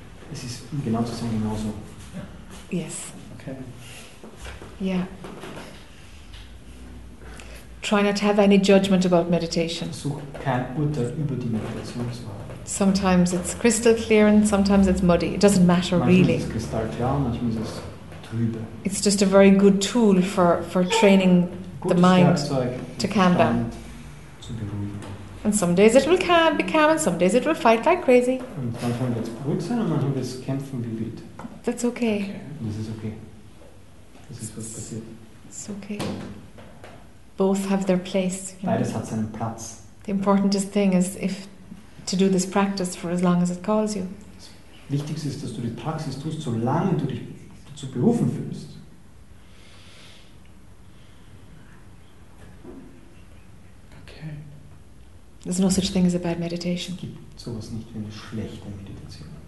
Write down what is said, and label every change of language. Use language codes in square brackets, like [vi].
[de] Es ist genau zu sagen, genauso. [en] Yes. Okay. Yeah. Try not to have any judgment about meditation. [de] Such kein Urteil über die Meditation. [en] Sometimes it's crystal clear and sometimes it's muddy. It doesn't matter really. [de] Manchmal ist es kristallklar, manchmal ist es trübe. [en] It's just a very good tool for training the mind to calm down. And some days it will be calm and some days it will fight like crazy. [de] Und manchmal wird es beruhigt sein und manchmal wird es kämpfen wie wild. [en] That's okay. [de] Das ist okay. Das ist was passiert. [en] It's okay. Both have their place. [de] Beides hat seinen Platz. [en] The important thing is if to do this practice for as long as it calls you. [de] Das Wichtigste ist, dass du die Praxis tust, solange du dich dazu berufen fühlst. [en] Okay. There's no such thing as a bad meditation. [de] Es gibt sowas nicht wie eine schlechte Meditation.